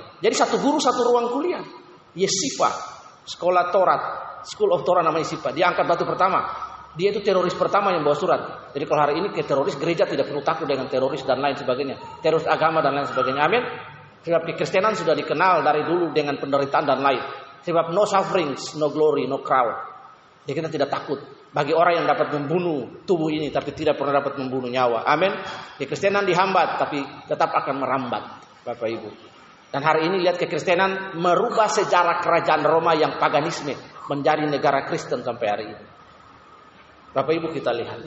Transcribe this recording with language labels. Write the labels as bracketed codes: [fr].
[id] Jadi satu guru satu ruang kuliah. Yesipa, sekolah Torat, School of Torah namanya Yesipa. Dia angkat batu pertama. Dia itu teroris pertama yang bawa surat. Jadi kalau hari ini ke teroris, gereja tidak perlu takut dengan teroris dan lain sebagainya. Teroris agama dan lain sebagainya. Amin. Sebab kekristenan sudah dikenal dari dulu dengan penderitaan dan lain. Sebab [en] no sufferings, no glory, no crown. [id] Jadi kita tidak takut bagi orang yang dapat membunuh tubuh ini, tapi tidak pernah dapat membunuh nyawa. Amin. Kekristenan dihambat, tapi tetap akan merambat, Bapak Ibu. Dan hari ini lihat kekristenan merubah sejarah kerajaan Roma yang paganisme menjadi negara Kristen sampai hari ini. Bapak Ibu, kita lihat.